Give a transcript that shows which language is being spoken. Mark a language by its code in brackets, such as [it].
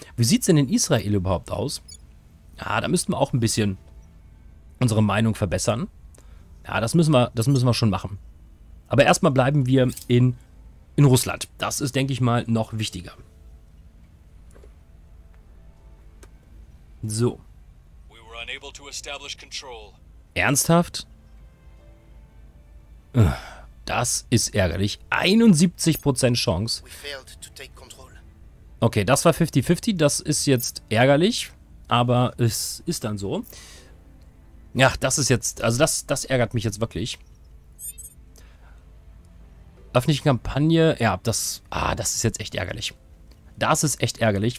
[de] Wie sieht es denn in Israel überhaupt aus? Ja, da müssten wir auch ein bisschen unsere Meinung verbessern. Ja, das müssen wir schon machen. Aber erstmal bleiben wir in Russland. Das ist, denke ich mal, noch wichtiger. So. [en] Unable to establish control. [de] Ernsthaft? Das ist ärgerlich. 71% Chance. [en] We failed to take control. [de] Okay, das war 50-50. Das ist jetzt ärgerlich. Aber es ist dann so. Ja, das ist jetzt... Also das ärgert mich jetzt wirklich. Öffentliche Kampagne. Ja, das... Ah, das ist jetzt echt ärgerlich. Das ist echt ärgerlich.